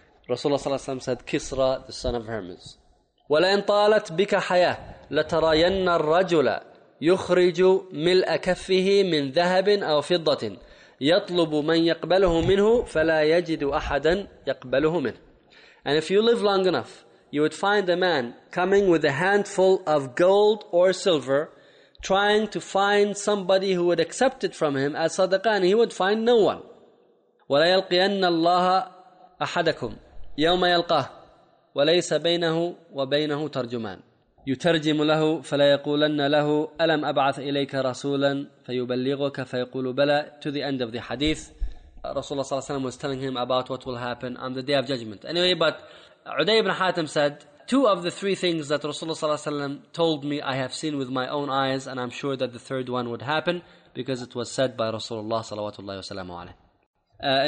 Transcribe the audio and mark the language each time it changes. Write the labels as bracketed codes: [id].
[en] Rasulullah ﷺ said, Kisra, the son of Hormuz. [ar] وَلَئِنْ طَالَتْ بِكَ حَيَةٌ لَتَرَيَنَّ الرَّجُلَ يُخْرِجُ مِلْأَ كَفِّهِ مِنْ ذَهَبٍ أَوْ فِضَّةٍ يَطْلُبُ مَنْ يَقْبَلُهُ مِنْهُ [en] فَلَا يَجِدُ أَحَدًا يَقْبَلُهُ مِنْهُ And if you live long enough, you would find a man coming with a handful of gold or silver, trying to find somebody who would accept it from him as sadaqah, and he would find no one. [ar] وَلَا يَلْقِيَنَّ اللَّهَ أَحَدَكُمْ يَوْمَ يَلْقَهُ وَلَيْسَ بَيْنَهُ وَبَيْنَهُ تَرْجُمَانِ يترجم له فلا يقولن له ألم أبعث إليك رسولا فيبلغك فيقول بلى [en] to the end of the hadith. Rasulullah صلى الله عليه وسلم was telling him about what will happen on the day of judgment. Anyway, but Uday ibn Hatim said, two of the three things that Rasulullah صلى الله عليه وسلم told me I have seen with my own eyes, and I'm sure that the third one would happen because it was said by Rasulullah صلى الله عليه وسلم.